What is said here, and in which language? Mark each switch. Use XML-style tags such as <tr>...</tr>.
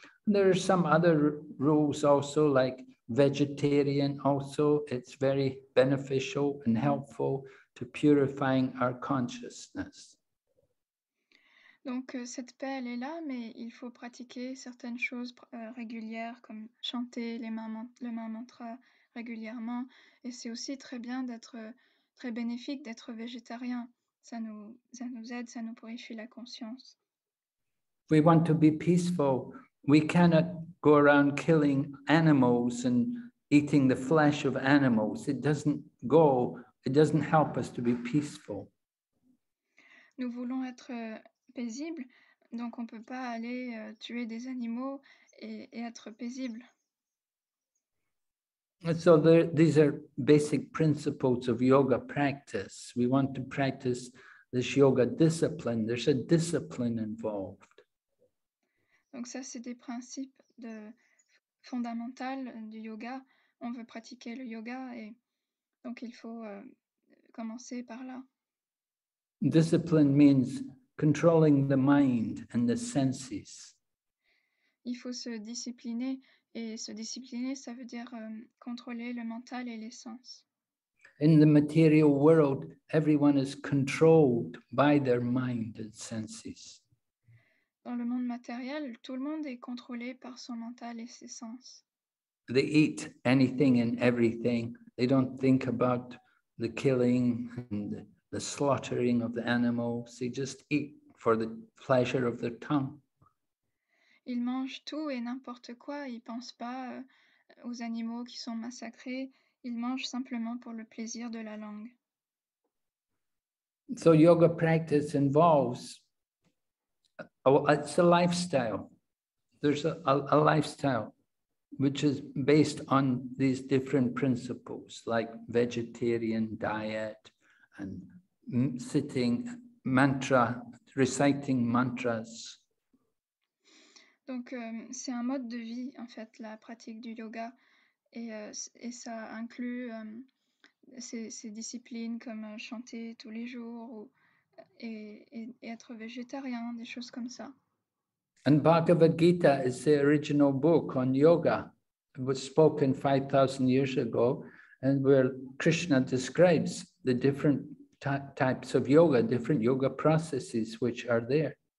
<en>And there are some other rules also, like vegetarian also. It's very beneficial and helpful to purifying our consciousness.</en> <fr>Donc cette paix elle est là, mais il faut pratiquer certaines choses régulières, comme chanter le mantra régulièrement. Et c'est aussi très bien d'être très bénéfique d'être végétarien. Ça nous aide, ça nous purifie la conscience.</fr> <en>We want to be peaceful. We cannot go around killing animals and eating the flesh of animals. It doesn't help us to be peaceful.</en> <fr>Nous voulons être paisibles, donc on peut pas aller tuer des animaux et être paisible.</fr> <en>So these are basic principles of yoga practice. We want to practice this yoga discipline. There's a discipline involved.</en> <fr>Donc ça, c'est des principes fondamentaux du yoga. On veut pratiquer le yoga et donc il faut commencer par là.</fr> <en>Discipline means controlling the mind and the senses.</en> <fr>il faut se discipliner, et se discipliner, ça veut dire contrôler le mental et les sens.</fr> <en>In the material world, everyone is controlled by their mind and senses.</en> <fr>Dans le monde matériel, tout le monde est contrôlé par son mental et ses sens.</fr> <en>They eat anything and everything. They don't think about the killing and the slaughtering of the animals. They just eat for the pleasure of their tongue.</en> <fr>Ils mangent tout et n'importe quoi. Ils pensent pas aux animaux qui sont massacrés. Ils mangent simplement pour le plaisir de la langue.</fr> <en>So yoga practice involves it's a lifestyle. There's a lifestyle which is based on these different principles, like vegetarian diet and sitting mantra, reciting mantras.</en> <fr>Donc c'est un mode de vie en fait, la pratique du yoga, et ça inclut ces disciplines comme chanter tous les jours ou et être végétarien, des choses comme ça.</fr> <en>And Bhagavad Gita is the original book on yoga. It was spoken 5,000 years ago, and where Krishna describes the different types of yoga, different yoga processes which are there.</en>